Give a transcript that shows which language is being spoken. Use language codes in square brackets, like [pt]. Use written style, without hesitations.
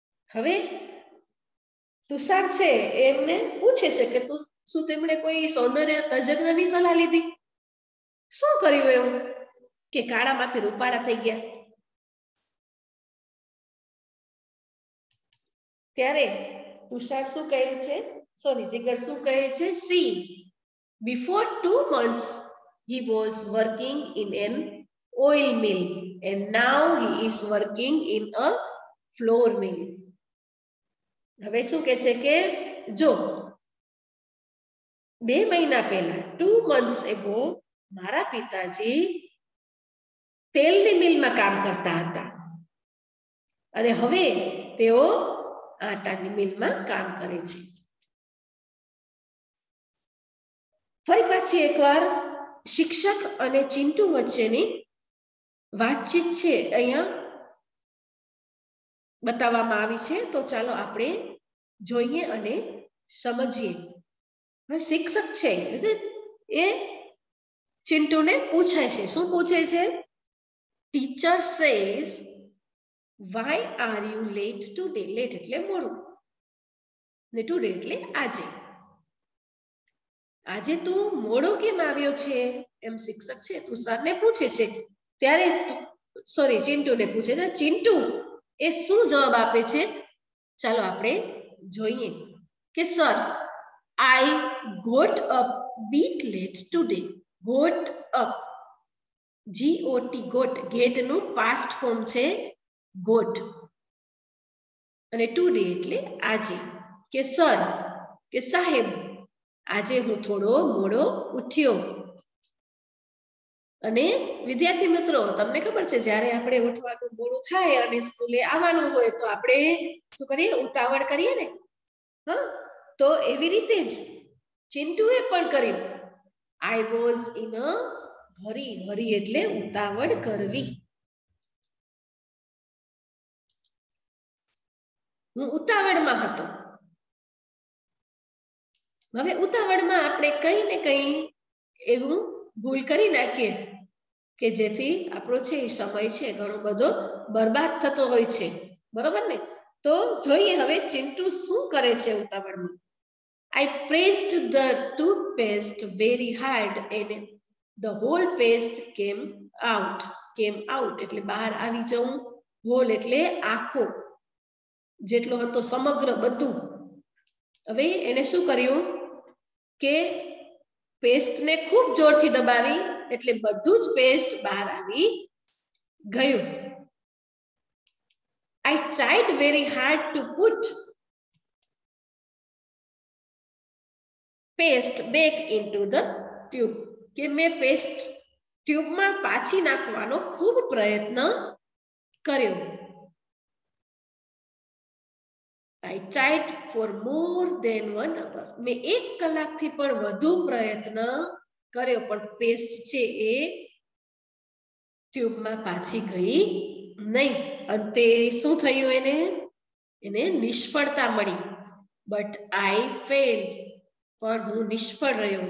[gu] હવે તુષાર છે એમને પૂછે છે કે તું શું તેમણે કોઈ સૌંદર્ય તજજ્ઞની સલાહ લીધી, શું કર્યું એવું કે કાળા માથે રૂપાળા થઈ ગયા? ત્યારે તુષાર શું કહે છે, સોરી જીગર શું કહે છે? C, [en] Before 2 months, he was working in an oil mill, and now he is working in a flour mill. [gu] હવે શું કહે છે કે જો 2 મહિના પહેલા [en] 2 months ago [gu] મારા પિતાજી તેલની મિલમાં કામ કરતા હતા અને હવે તેઓ આટાની મિલમાં કામ કરે છે. ફરી પાછી એકવાર શિક્ષક અને ચિંટુ વચ્ચેની વાતચીત છે અહીંયા બતાવવામાં આવી છે, તો ચાલો આપણે જોઈએ અને સમજીએ. શિક્ષક છે એ ચિંટુને પૂછે છે, શું પૂછે છે? [en] teacher says why are you late today, [gu] late એટલે મોડું, ને ટુડે એટલે આજે, આજે તું મોડો કેમ આવ્યો છે? એમ શિક્ષક છે તું સરને પૂછે છે, ત્યારે સોરી ચિંટુને પૂછે છે. ચિંટુ એ શું જવાબ આપે છે? ચાલો આપણે જોઈએ કે sir [en] I got up bit late today. Got up. G-O-T, got. Get નું past form છે got. [gu] અને today એટલે આજે. કે સર, કે સાહેબ, આજે હું થોડો મોડો ઉઠ્યો. અને વિદ્યાર્થી મિત્રો, તમને ખબર છે જ્યારે આપણે ઉઠવાનું મોડું થાય અને સ્કૂલે આવવાનું હોય તો આપણે શું કરીએ? ઉતાવળ કરીએ ને. તો એવી રીતે જ ચિંટુએ પણ કર્યું. [en] I was in a hurry, [gu] હરી એટલે ઉતાવળ કરવી. હું ઉતાવળમાં હતો. હવે ઉતાવળમાં આપણે કઈ ને કઈ એવું ભૂલ કરી નાખીએ કે જેથી આપણો છે એ સમય છે ઘણો બધો બરબાદ થતો હોય છે, બરોબર ને? તો જોઈએ હવે ચિંટુ શું કરે છે ઉતાવળમાં. [en] I pressed the toothpaste very hard and the whole paste came out. Came out [gu] એટલે બહાર આવી જવું. Whole એટલે આખો, જેટલો હતો સમગ્ર બધું. હવે એને શું કર્યું કે પેસ્ટને ખૂબ જોરથી દબાવી એટલે બધું જ પેસ્ટ બહાર આવી ગયું. [en] I tried very hard to put paste back into the tube. [gu] કે મેં પેસ્ટ ટ્યુબમાં પાછી નાખવાનો ખૂબ પ્રયત્ન કર્યો. [en] I tried for more than 1 hour. [gu] મેં 1 કલાકથી પણ વધુ પ્રયત્ન કર્યો પણ પેસ્ટ છે એ ટ્યુબમાં પાછી ગઈ નહીં. અંતે શું થયું એને? એને નિષ્ફળતા મળી. [en] but I failed, [gu] પણ હું નિષ્ફળ રહ્યો.